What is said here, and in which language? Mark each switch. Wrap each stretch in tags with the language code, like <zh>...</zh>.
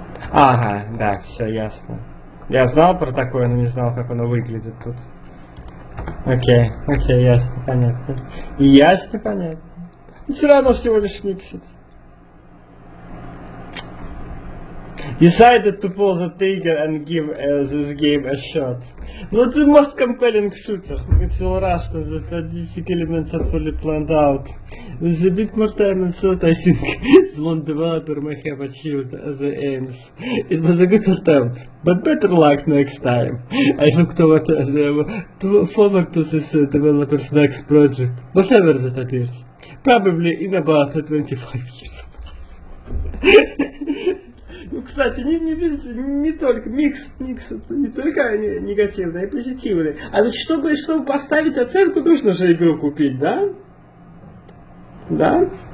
<ru>Ага, да, все ясно. Я знал про такое, но не знал, как оно выглядит тут. Окей, ясно, понятно. Ясно, понятно. Все равно всего лишь Никсит.</ru> <en>Decided to pull the trigger and give this game a shot. Not the most compelling shooter. It will rush to the statistic elements are fully planned out. With a bit more time and thought, I think the lone developer may have achieved the aims. It was a good attempt, but better luck next time. I look forward to this developer's next project, whatever that appears. Probably in about 25 years.</en> <ru>Ну, кстати, не только микс это не только негативный, а и позитивный. А ведь чтобы поставить оценку, нужно же игру купить, да? Да?</ru>